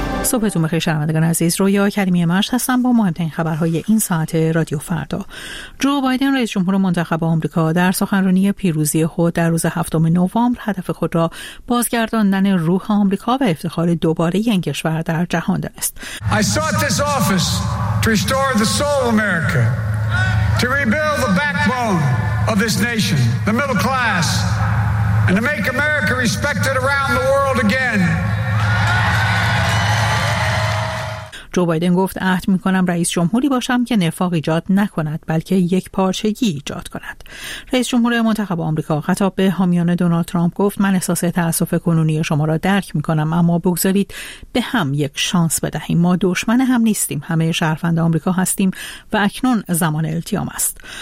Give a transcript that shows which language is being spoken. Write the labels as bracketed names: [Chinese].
[Persian] صبحتون بخیر شنوندگان عزیز، رویا کریمی مشت هستم با مهمترین خبرهای این ساعت رادیو فردا. جو بایدن رئیس جمهور منتخب آمریکا در سخنرانی پیروزی خود در روز 7 نوامبر هدف خود را بازگرداندن روح آمریکا به افتخار دوباره این کشور در جهان دانست. [English] I sought this office to restore the soul of America, to rebuild the backbone of this nation, the middle class, and to make America respected around the world again. [Persian] جو بایدن گفت عهد میکنم رئیس جمهوری باشم که نفاق ایجاد نکند بلکه یک پارچگی ایجاد کند. رئیس جمهور منتخب آمریکا خطاب به حامیان دونالد ترامپ گفت من احساس تأسف کنونی شما را درک میکنم، اما بگذارید به هم یک شانس بدهیم. ما دشمن هم نیستیم، همه شهروند آمریکا هستیم و اکنون زمان التیام است.